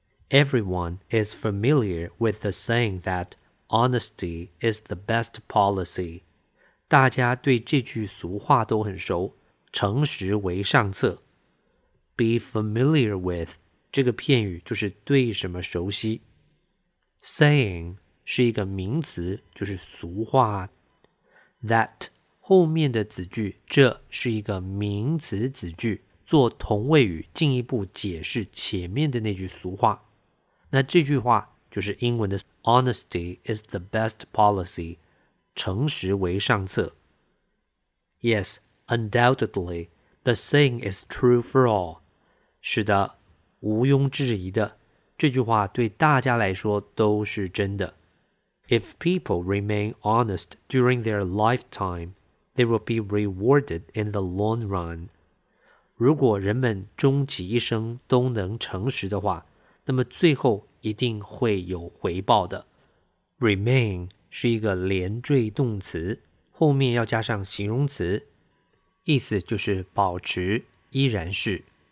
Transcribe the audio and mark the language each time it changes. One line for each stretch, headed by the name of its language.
English: Everyone is familiar with the saying that honesty is the best policy.
Chinese: 大家对这句俗话都很熟，诚实为上策。 Be familiar with 这个片语就是对什么熟悉。 Saying 是一个名词，就是俗话。 That 后面的子句，这是一个名词子句，做同位语进一步解释前面的那句俗话。那这句话就是英文的
English: Honesty is the best policy,
Chinese: 诚实为上策。
English: Yes, undoubtedly, the saying is true for all.
Chinese: 是的，毋庸置疑的，这句话对大家来说都是真的。
English: If people remain honest during their lifetime, they will be rewarded in the long run.
Chinese: 如果人们终其一生都能诚实的话，那么最后一定会有回报的。 Remain 是一个连缀动词，后面要加上形容词，意思就是保持，依然是。